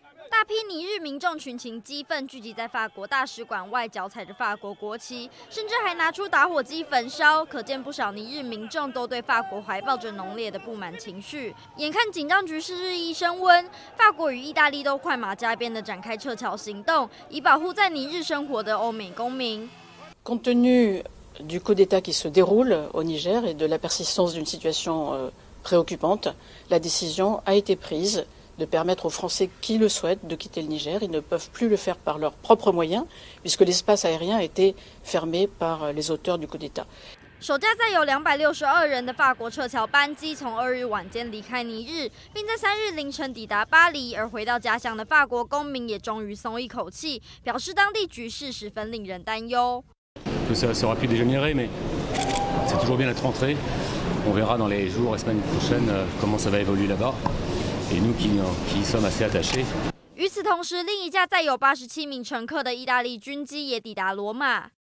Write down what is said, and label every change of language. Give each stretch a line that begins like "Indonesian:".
Chinese: 大批尼日民众群情激愤，聚集在法国大使馆外，脚踩着法国国旗，甚至还拿出打火机焚烧，可见不少尼日民众都对法国怀抱着浓烈的不满情绪。眼看紧张局势日益升温，法国与意大利都快马加鞭地展开撤侨行动，以保护在尼日生活的欧美公民。
French: Compte tenu du coup d'état qui se déroule au Niger et de la persistance d'une situation préoccupante, la décision a été prise de permettre aux Français qui le souhaitent de quitter le Niger. Ils ne peuvent plus le faire par leurs propres moyens, puisque l'espace aérien a été fermé par les auteurs du coup d'État.
Chinese: 首架载有262人的法国撤侨班机从2日晚间离开尼日，并在3日凌晨抵达巴黎，而回到家乡的法国公民也终于松一口气，表示当地局势十分令人担忧。
French: Tout ça sera plus dégénéré, mais c'est toujours bien d'être rentré. On verra dans les jours et semaines prochaines comment ça va évoluer là-bas. Et nous qui sommes assez attachés.
Chinese: 与此同时，另一架载有87名乘客的意大利军机也抵达罗马。